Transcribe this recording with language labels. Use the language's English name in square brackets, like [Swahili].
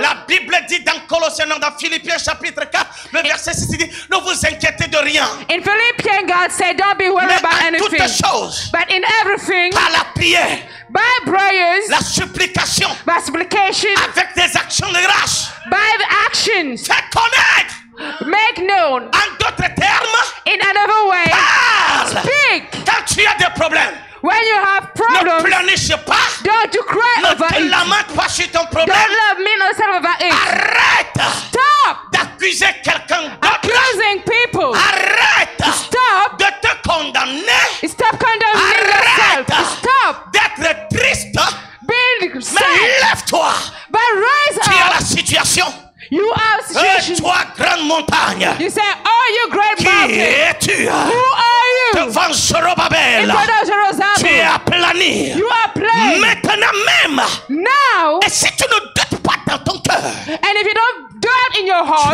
[French] la Bible dit dans Colossiens, dans Philippiens chapitre 4, le verset 6 dit, ne vous inquiétez de rien. [English] In Philippians, God said, don't be worried about anything. [French] Toutes choses, [English] but in everything, [French] par la prière, [English] by prayers, [French] la supplication, [English] by supplication, [French] avec des actions de grâce, [English] by the actions, [French] faites connaître. [English] Make known. [French] En d'autres termes, [English] in another way, [French] parle. [English] Speak. [French] Quand tu as des problèmes, [English] when you have problems, [French] ne pleurniche pas. [English] Don't you cry over it. [French] Ne te lamente pas sur ton problème. [English] Don't love me no serve over it. [French] Arrête. [English] Stop. [French] D'accuser quelqu'un d'autre. [English] Accusing people. [French] Arrête. [English] Stop. [French] De te condamner. [English] Stop condemning [French] Arrête. [English] Yourself. [French] Arrête. [English] Stop. [French] D'être triste. [English] Be sad. [French] Mais lève-toi. [English] But rise [French] tu [English] up. [French] Tu as la situation. [English] You are a situation. [French] Et toi, grande montagne. [English] You say, oh, you great [French] qui [English] mountain. [French] Qui es-tu? [English] Who are you? [French] Devant Zerubbabel. [English] In front of Jerusalem. [French] Tu es aplani. [English] You are plain. [French] Maintenant même. [English] Now. [French] Et si tu ne doutes pas dans ton cœur. [English] And if you don't doubt in your heart.